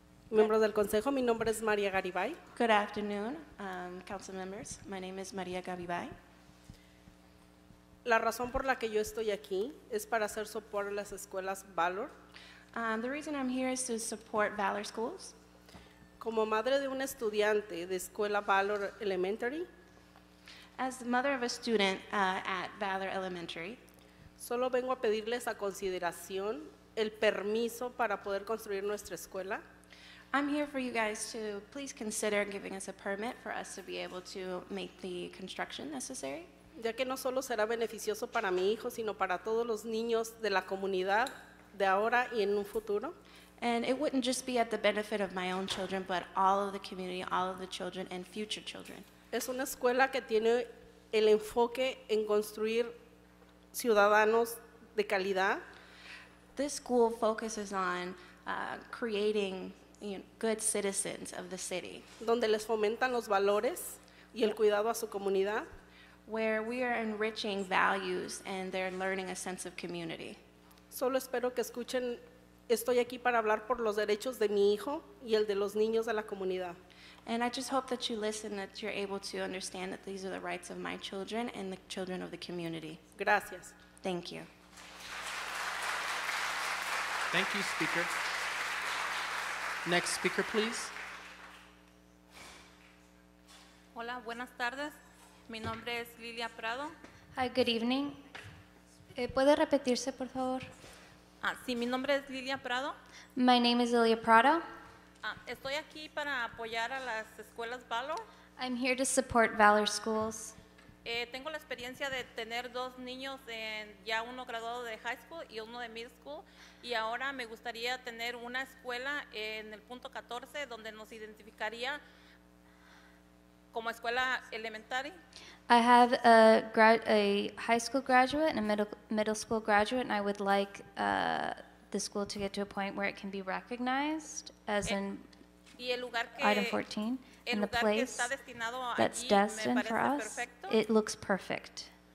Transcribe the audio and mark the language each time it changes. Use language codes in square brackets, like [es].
[es] Miembros del consejo, mi nombre es María Garibay. [en] Good afternoon, council members. My name is María Garibay. [es] La razón por la que yo estoy aquí es para hacer soporte a las escuelas Valor. [en] The reason I'm here is to support Valor Schools. [es] Como madre de un estudiante de escuela Valor Elementary. [en] as the mother of a student at Valor Elementary. [es] Solo vengo a pedirles a consideración el permiso para poder construir nuestra escuela. [en] I'm here for you guys to please consider giving us a permit for us to be able to make the construction necessary. [es] Ya que no solo será beneficioso para mi hijo, sino para todos los niños de la comunidad de ahora y en un futuro. [en] And it wouldn't just be at the benefit of my own children, but all of the community, all of the children and future children. [es] Es una escuela que tiene el enfoque en construir ciudadanos de calidad. [en] This school focuses on creating, you know, good citizens of the city. [es] Donde les fomentan los valores y el cuidado a su comunidad. [en] Where we are enriching values and they're learning a sense of community. [es] Solo espero que escuchen, estoy aquí para hablar por los derechos de mi hijo y el de los niños de la comunidad. [en] And I just hope that you listen, that you're able to understand that these are the rights of my children and the children of the community. [es] Gracias. [en] Thank you. Thank you, Speaker. Next speaker, please. [es] Hola, buenas tardes. Mi nombre es Lilia Prado. [en] Hi, good evening. [es] ¿Puede repetirse, por favor? Ah, sí, mi nombre es Lilia Prado. [en] My name is Lilia Prado. [es] Estoy aquí para apoyar a las escuelas Valor. [en] I'm here to support Valor Schools. [es] Tengo la experiencia de tener dos niños, en ya uno graduado de high school y uno de middle school, y ahora me gustaría tener una escuela en el punto 14 donde nos identificaría como escuela elementary. [en] I have a high school graduate and a middle school graduate, and I would like the school to get to a point where it can be recognized as in [es] y el lugar que [en] item 14. In the place that's destined for us, it looks perfect.